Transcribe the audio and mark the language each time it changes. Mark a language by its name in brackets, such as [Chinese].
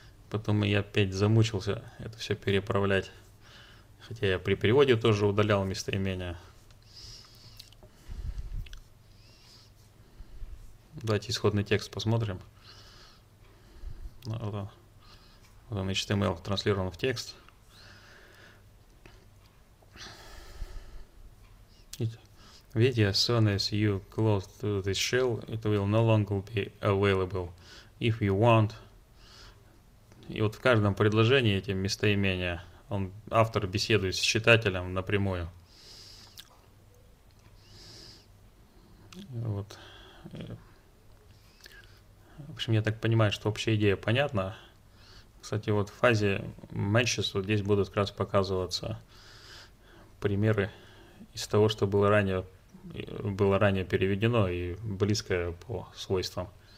[Russian] Потом я опять замучился это все переправлять. Хотя я при переводе тоже удалял местоимения. Давайте исходный текст посмотрим. Вот он, HTML транслирован в текст. Видите, [English] as soon as you close to this shell, it will no longer be available. If you want. [Russian] И вот в каждом предложении эти местоимения, он, автор беседует с читателем напрямую. Вот. В общем, я так понимаю, что общая идея понятна. Кстати, вот в фазе matches вот здесь будут как раз показываться примеры из того, что было ранее переведено и близкое по свойствам.